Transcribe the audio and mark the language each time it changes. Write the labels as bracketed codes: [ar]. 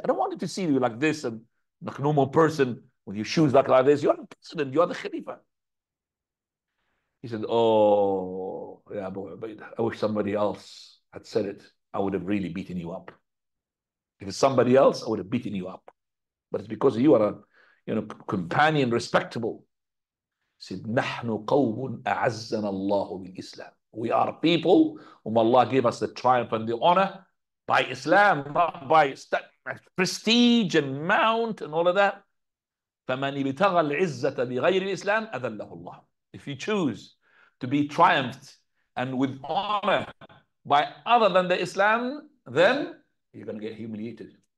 [en] I don't want you to see you like this and like a normal person with your shoes like this. You're the president. You're the Khalifa. He said, oh, yeah, but I wish somebody else had said it. I would have really beaten you up. If it's somebody else, I would have beaten you up. But it's because you are a, you know, companion, respectable. He said, [ar] نَحْنُ قَوْمٌ أَعَزَّنَ اللَّهُ بِالْإِسْلَامِ. [en] We are people whom Allah gave us the triumph and the honor by Islam, not by prestige and mount and all of that. [ar] فَمَنِ بِتَغَى الْعِزَّةَ بِغَيْرِ الْإِسْلَامِ أَذَلَّهُ اللَّهُ. [en] If you choose to be triumphed and with honor by other than the Islam, then you're going to get humiliated.